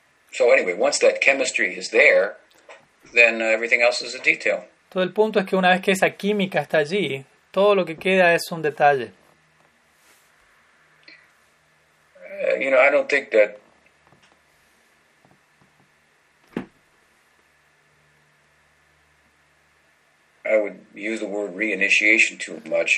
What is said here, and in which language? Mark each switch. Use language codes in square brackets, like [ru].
[en] So anyway, once that chemistry is there, then everything else is a detail. [es] Todo el punto es que una vez que esa química está allí, todo lo que queda es un detalle. [en] You know, I don't think that I would use the word reinitiation too much.